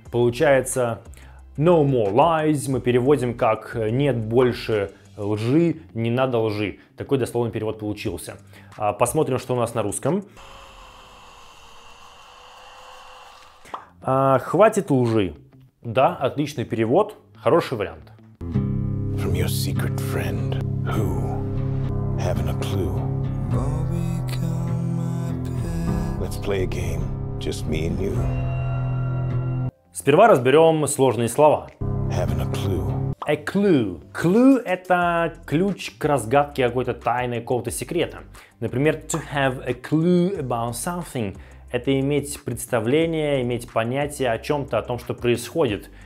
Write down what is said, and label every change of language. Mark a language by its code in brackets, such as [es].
[ru] Получается, [en] no more lies [ru] мы переводим как нет больше лжи, не надо лжи. Такой дословный перевод получился. Посмотрим, что у нас на русском. Хватит лжи. Да, отличный перевод, хороший вариант. [en] From your secret friend, who, having a clue. Let's play a game, just me and you. [ru] Сперва разберем сложные слова. [en] Having a clue. A clue. [ru] Clue – это ключ к разгадке какой-то тайны, какого-то секрета. Например, [en] to have a clue about something. [ru] Это иметь представление, иметь понятие о чем-то, о том, что происходит.